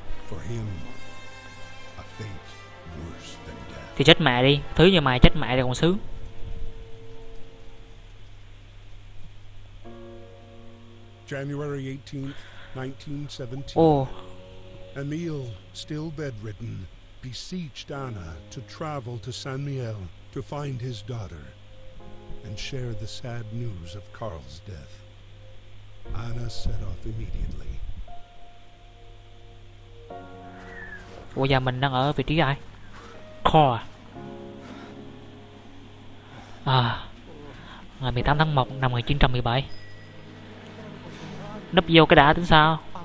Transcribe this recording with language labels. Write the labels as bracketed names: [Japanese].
[English] For him, a fate worse than death. [Vietnamese] Thì chết mẹ đi, thứ như mày chết mẹ thì còn sướng. [English] January 18th, 1917. Emil, still bedridden, beseeched Anna to travel to San Miguel to find his daughter and share the sad news of Carl's death. Anna set off immediately. [Vietnamese] Ủa giờ mình đang ở vị trí ai? Carl. À, ngày 18 tháng 1 năm 1917. Nấp vô cái đá tính sao?